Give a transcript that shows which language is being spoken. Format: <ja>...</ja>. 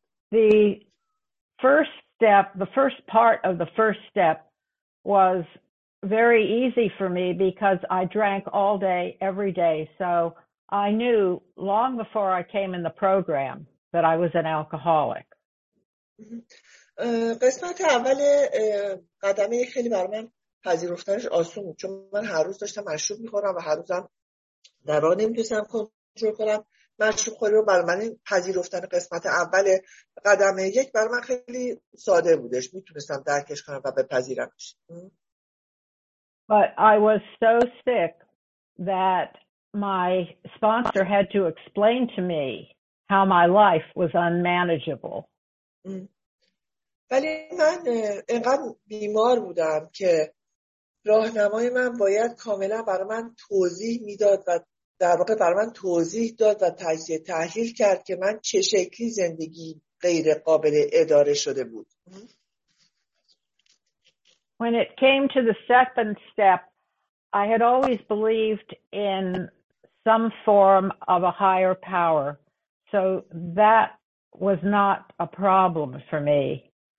<en>The first step, the first part of the first step was very easy for me because I drank all day every day, so I knew long before I came in the program that I was an alcoholic.</en> <fa>قسمت اول قدمه خیلی برای من پذیرفتنش آسون بود، چون من هر روز داشتم مشروب می‌خوردم و هر روزم در واقع نمی‌تونستم کنترل کنم مشروب خوری رو. برای من پذیرفتن قسمت اول قدمه یک برای من خیلی ساده بودش، می‌تونستم درکش کنم و بپذیرمش.</fa> <en>But I was so sick that my sponsor had to explain to me how my life was unmanageable.</en> <fa>ولی من انقدر بیمار بودم که راهنمای من باید کاملا برای من توضیح میداد و در واقع برای من توضیح داد و تجزیه تحلیل کرد که من چه شکلی زندگی غیر قابل اداره شده بود.</fa> <en>When it came to the second step, I had always believed in some form of a higher power, so that was not a problem for me.</en>